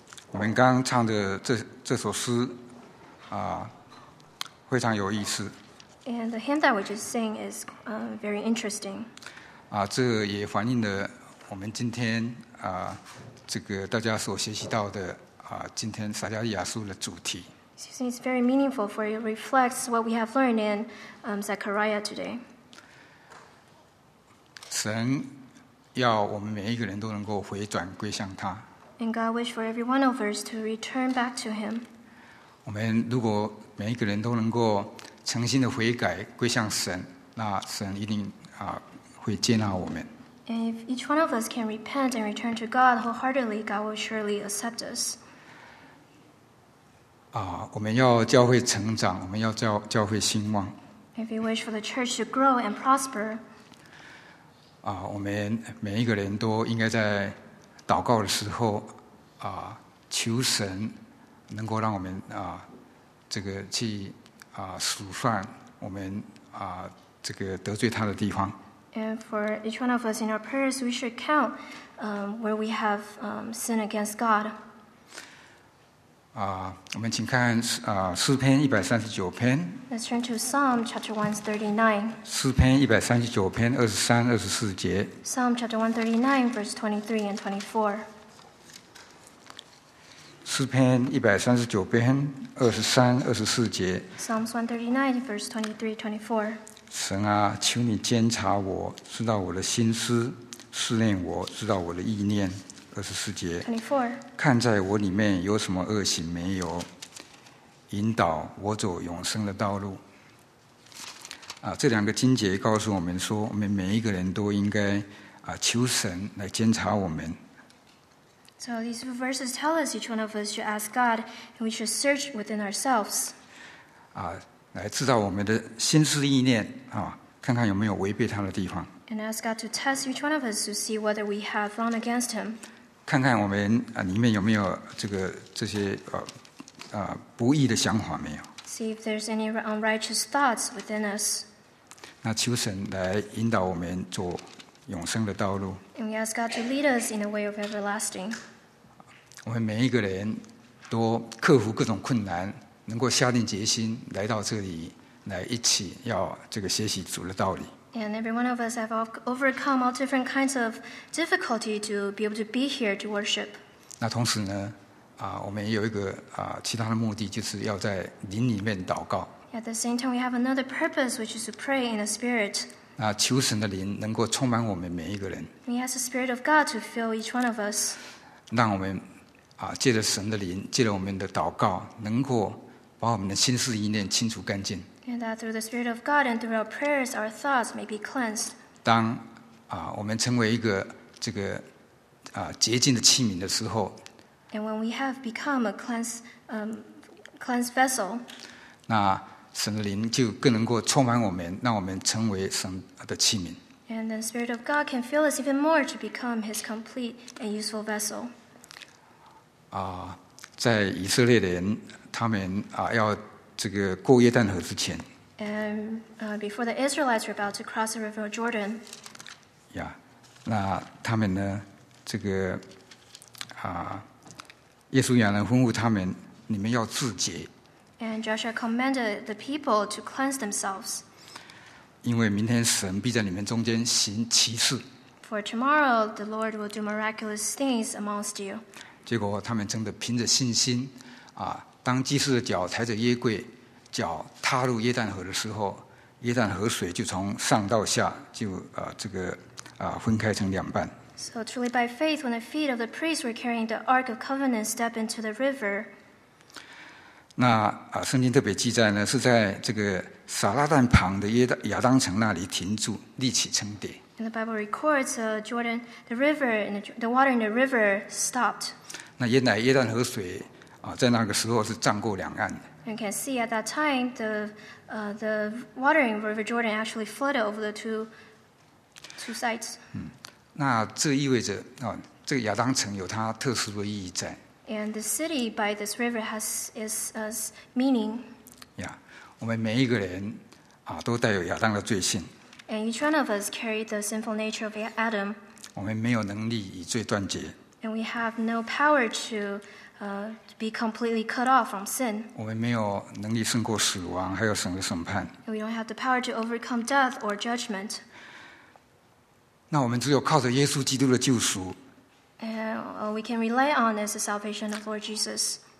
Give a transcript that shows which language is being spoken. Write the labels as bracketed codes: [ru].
[zh] 我们刚唱的 这首诗、非常有意思。 [en] And the hymn that we just sing is very interesting. [zh] 这也反映了我们今天这个大家所学习到的今天撒迦利亚书的主题。 [en] It's very meaningful for it reflects what we have learned in Zechariah today. [zh] 神要我们每一个人都能够回转归向他。 [en] And God wish for every one of us to return back to Him. [zh] 我们如果每一个人都能够诚心的悔改归向神，那神一定会接纳我们。 [en] And if each one of us can repent and return to God wholeheartedly, God will surely accept us. [zh] 我们要教会成长，我们要教会兴旺。 [en] If you wish for the church to grow and prosper, [zh] 我们每一个人都应该在祷告的时候求神能够让我们这个去数算我们这个得罪他的地方。 [en] And for each one of us in our prayers, we should count where we have sinned against God. [zh] 我们请看诗篇一百三十九篇。 [en] Let's turn to Psalm chapter 139. [zh] 诗篇一百三十九篇二十三、二十四节。 [en] Psalm chapter 139, verse 23 and 24. [zh] 诗篇一百三十九篇二十三、二十四节。 [en] Psalms 139, verse 23, 24. [zh] 神啊，求你监察我，知道我的心思，试炼我，知道我的意念。二十四节，看在我里面有什么恶行没有，引导我走永生的道路。这两个经节告诉我们说，我们每一个人都应该求神来监察我们。 [en] So these two verses tell us each one of us should ask God, and we should search within ourselves. [zh] 来知道我们的心思意念看看有没有违背他的地方。 [en] And ask God to test each one of us to see whether we have run against Him. [zh] 看看我们里面有没有这些不义的想法没有。 [en] See if there's any unrighteous thoughts within us. [zh] 那求神来引导我们走永生的道路。 [en] And we ask God to lead us in the way of everlasting. [zh] 我们每一个人都克服各种困难。能够下定决心来到这里，来一起要这个学习主的道理。 [en] And every one of us have overcome all different kinds of difficulty to be able to be here to worship. [zh] 那同时呢，我们也有一个其他的目的，就是要在灵里面祷告。 [en] At the same time, we have another purpose, which is to pray in the spirit. [zh] 那求神的灵能够充满我们每一个人。 [en] He has the spirit of God to fill each one of us. [zh] 让我们借着神的灵，借着我们的祷告，能够把我们的心思意念清除干净。 [en] And that through the Spirit of God and through our prayers, our thoughts may be cleansed. [zh] 当我们成为一个这个洁净的器皿的时候 [en] ，And when we have become a cleansed vessel, [zh] 那神的灵就更能够充满我们，让我们成为神的器皿。 [en] And the Spirit of God can fill us even more to become His complete and useful vessel. [zh] 在以色列人他们要这个过约旦河之前 [en] and, before the Israelites were about to cross the river Jordan [zh] yeah, 那他们呢这个耶稣亚呢吩咐他们你们要自洁 [en] and Joshua commanded the people to cleanse themselves [zh] 因为明天神必在你们中间行奇事 [en] for tomorrow the Lord will do miraculous things amongst you [zh] 结果他们真的凭着信心当祭司的脚抬着约柜脚踏入约旦河的时候约旦河水就从上到下就这个分开成两半 [en] So truly by faith when the feet of the priests were carrying the Ark of Covenant step into the river [zh] 那圣经特别记载呢是在这个撒拉旦旁的亚当城那里停住立起撑点 [en] And the Bible records Jordan, the river and the water in the river stopped [zh] 那原来约旦河水在那个时候是涨过两岸的。 [en] You can see at that time the the water in River Jordan actually flooded over the two sides. [zh] 那这意味着这个亚当城有它特殊的意义在。 [en] And the city by this river has its meaning. [zh] Yeah, 我们每一个人都带有亚当的罪性。 [en] And each one of us carried the sinful nature of Adam. [zh] 我们没有能力以罪断绝。 [en] And we have no power to be completely cut off from sin. [zh] 我们没有能力胜过死亡，还有神的审判。 [en] We don't have the power to overcome death or judgment. [zh] 那我们只有靠着耶稣基督的救赎。 [en] And we can rely on is the salvation of Lord Jesus.